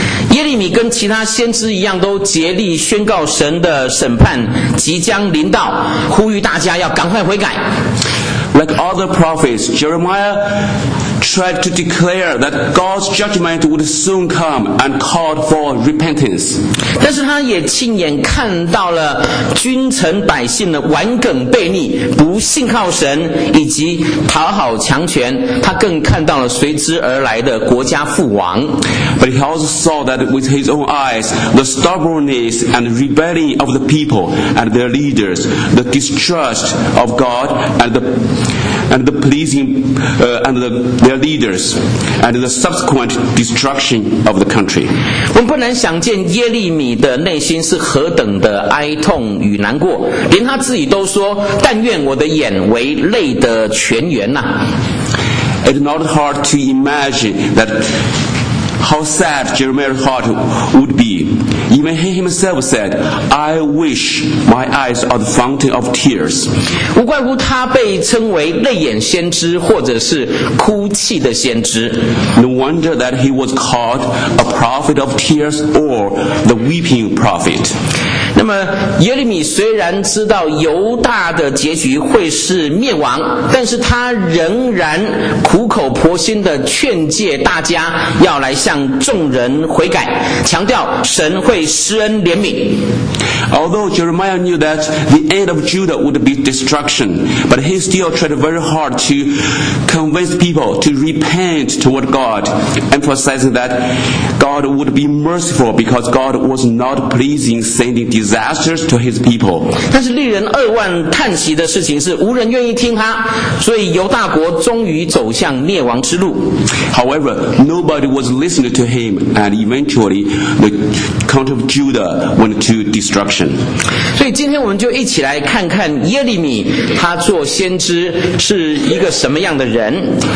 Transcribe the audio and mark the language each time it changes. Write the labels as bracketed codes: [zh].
[zh] 耶利米跟其他先知一样，都竭力宣告神的审判即将临到，呼吁大家要赶快悔改。 [en] Like other prophets, Jeremiah tried to declare that God's judgment would soon come and called for repentance. [zh] 但是他也亲眼看到了君臣百姓的顽梗悖逆，不信靠神，以及讨好强权。他更看到了随之而来的国家覆亡。 [en] But he also saw that with his own eyes, the stubbornness and rebellion of the people and their leaders, the distrust of God and their leaders, and the subsequent destruction of the country. [zh] 我们不难想见耶利米的内心是何等的哀痛与难过，连他自己都说：“但愿我的眼为泪的泉源呐。” [en] It's not hard to imagine that how sad Jeremiah's heart would be. Even he himself said, "I wish my eyes are the fountain of tears." [zh] 无怪乎他被称为泪眼先知，或者是哭泣的先知。 [en] No wonder that he was called a prophet of tears or the weeping prophet. [zh] 那么耶利米虽然知道犹大的结局会是灭亡，但是他仍然苦口婆心地劝诫大家要来向众人悔改，强调神会施恩怜悯。 [en] Although Jeremiah knew that the end of Judah would be destruction, but he still tried very hard to convince people to repent toward God, emphasizing that God would be merciful because God was not pleasing sending disasters to his people. [zh] 但是令人扼腕叹息的事情是无人愿意听他，所以犹大国终于走向灭亡之路。 [en] However, nobody was listening to him, and eventually the country of Judah went to destruction. [zh] 所以今天我们就一起来看看耶利米他做先知是一个什么样的人。